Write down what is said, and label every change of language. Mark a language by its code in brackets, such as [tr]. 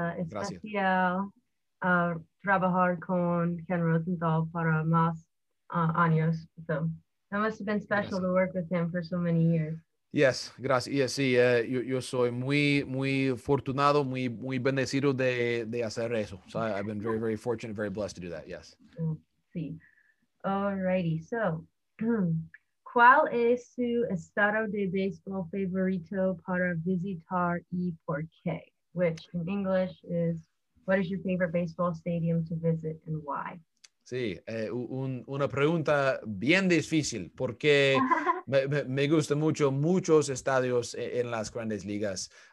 [es] Especial trabajar con Ken Rosenthal para más años. [en] So that must have been special to work with him for so many years. Yes, gracias. [es] Yes, sí, yo soy muy, muy fortunado, muy, muy bendecido de hacer eso. [en] So I've been very, very fortunate, very blessed to do that. Yes. Sí. Alrighty. [es] So, ¿cuál es su estado de baseball favorito para visitar y por qué? [en] Which in English is, what is your favorite baseball stadium to visit and why? [es] Sí, una pregunta bien difícil, porque me gusta mucho muchos estadios en las grandes ligas.